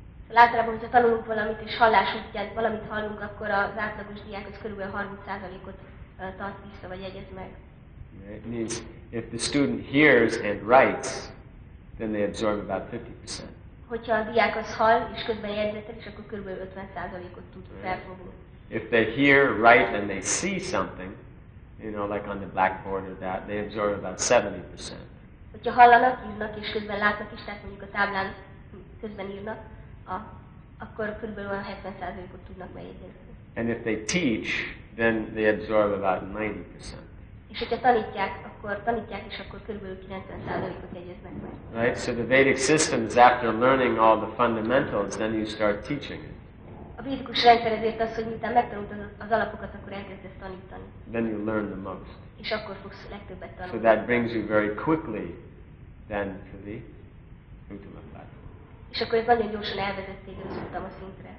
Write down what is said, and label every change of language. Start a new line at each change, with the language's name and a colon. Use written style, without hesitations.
Hungarian: Látom, hogy ha tanulunk valamit és hallás útján valamit hallunk, akkor az átlagos diák az körülbelül 30%-ot tart vissza vagy jegyez meg.
English: It means if the student hears and writes, then they absorb about 50%.
Hungarian: Hogyha a diák az hall és közben jegyzetel, és akkor körülbelül 50%-ot tud felfogni.
English: If they hear, write, and they see something, you know, like on the blackboard or that, they absorb about 70%.
Hungarian: Hogyha hallanak, írnak, és közben látnak is, tehát mondjuk a táblán közben írnak, akkor körülbelül 70%-ot tudnak megjegyezni.
English: And if they teach, then they absorb about 90%.
Hungarian: És hogyha tanítják, akkor tanítják is, akkor körülbelül 90%-ot jegyeznek meg.
English: Right, so the Vedic system is after learning all the fundamentals, then you start teaching it.
Hungarian: A védikus rendszer ezért az, hogy miután megtanultad az alapokat, akkor elkezdesz tanítani.
English: Then you learn the most.
Hungarian: És akkor fogsz legtöbbet tanulni.
English: So that brings you very quickly then to the Uttama platform.
Hungarian: És akkor ez nagyon gyorsan elvezet téged az Uttama szintre.